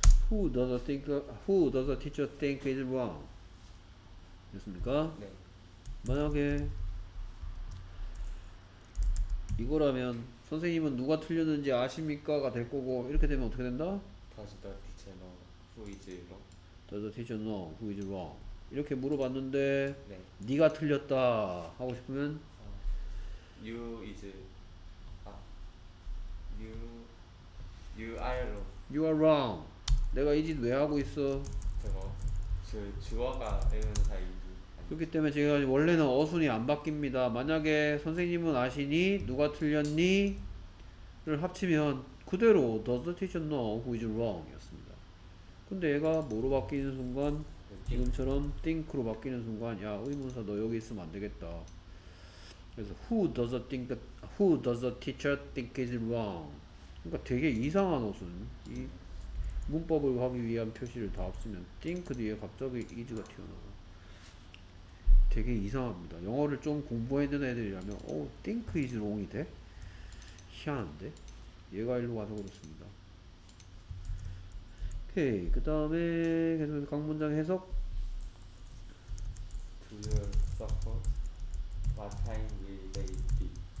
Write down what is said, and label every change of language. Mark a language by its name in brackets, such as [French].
[English] Who does the think Who does the teacher think is wrong? [Korean] 됐습니까? 네. 만약에 이거라면 선생님은 누가 틀렸는지 아십니까가 될 거고 이렇게 되면 어떻게 된다? [English] Does the teacher know who is wrong? Does the teacher know who is wrong? [Korean] 이렇게 물어봤는데 네. 네가 틀렸다 하고 싶으면 [English] you is you are wrong. You are wrong. [Korean] 내가 이 짓 왜 하고 있어? 저거 주어가 되는 사이지. 그렇기 때문에 제가 원래는 어순이 안 바뀝니다. 만약에 선생님은 아시니 누가 틀렸니를 합치면 그대로 [English] does the teacher know who is wrong [Korean] 이었습니다. 근데 얘가 뭐로 바뀌는 순간 지금처럼 think로 바뀌는 순간 야 의문사 너 여기 있으면 안 되겠다. 그래서 [English] who does the teacher think is wrong? [Korean] 그러니까 되게 이상한 어순. 이 문법을 하기 위한 표시를 다 없으면 think 뒤에 갑자기 is가 튀어나와. 되게 이상합니다. 영어를 좀 공부해야 되는 애들이라면 오 [English] think is wrong [Korean] 이 돼? 희한한데? 얘가 일로 와서 그렇습니다. 오케이 그 다음에 계속해서 각 문장 해석 [English] Do you suppose what time will they be?